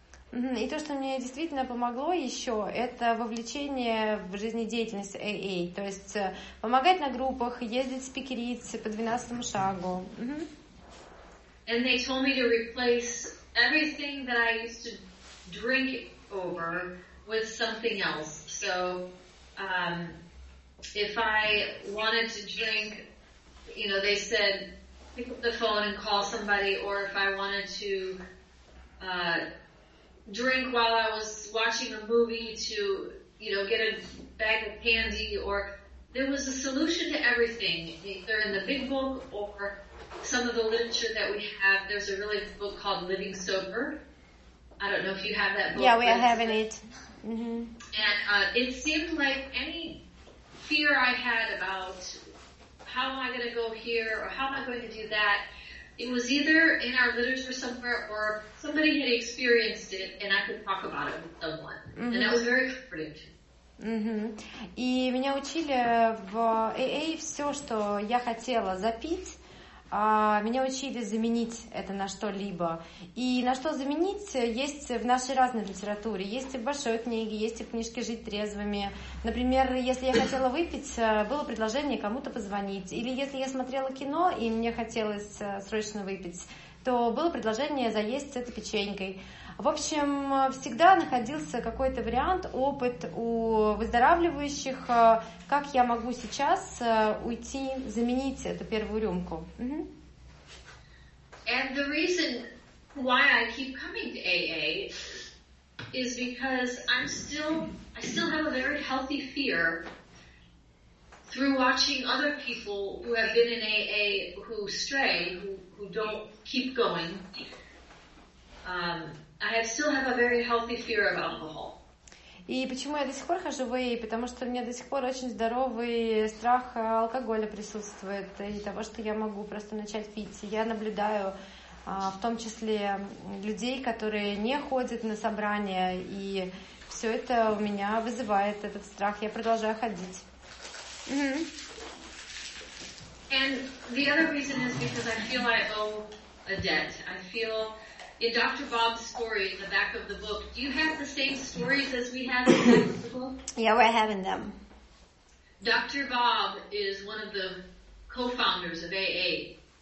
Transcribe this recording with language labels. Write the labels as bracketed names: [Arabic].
[Russian] И то, что мне действительно помогло еще, это вовлечение в жизнедеятельность AA, то есть помогать на группах, ездить спикерить по 12-му шагу. [English] And they told me to replace everything that I used to drink over with something else. So if I wanted to drink, you know, they said pick up the phone and call somebody, or if I wanted to drink while I was watching a movie to, you know, get a bag of candy, or there was a solution to everything, either in the big book or some of the literature that we have. There's a really good book called Living Sober. I don't know if you have that book. Yeah, we are having it. Mm-hmm. And it seemed like any fear I had about how am I going to go here or how am I going to do that, it was either in our literature somewhere or somebody had experienced it and I could talk about it with someone. Mm-hmm. And that was very comforting. Mm-hmm. [Russian] И меня учили в AA все, что я хотела запить, меня учили заменить это на что-либо. И на что заменить есть в нашей разной литературе. Есть и в большой книге, есть и в книжке «Жить трезвыми». Например, если я хотела выпить, было предложение кому-то позвонить. Или если я смотрела кино, и мне хотелось срочно выпить, то было предложение заесть с этой печенькой. В общем, всегда находился какой-то вариант, опыт у выздоравливающих, как я могу сейчас уйти, заменить эту первую рюмку. [English] And the reason why I keep coming to AA is because I still have a very healthy fear through watching other people who have been in AA who stray, who don't keep going. I still have a very healthy fear of alcohol. [Russian] И почему я до сих пор хожу в AA? Потому что у меня до сих пор очень здоровый страх алкоголя присутствует и того, что я могу просто начать пить. Я наблюдаю в том числе людей, которые не ходят на собрания, и все это у меня вызывает этот страх. Я продолжаю ходить. [English] And the other reason is because I feel I owe a debt. I feel in Dr. Bob's story in the back of the book, do you have the same stories as we have in the back of the book? Yeah, we're having them. Dr. Bob is one of the co-founders of AA.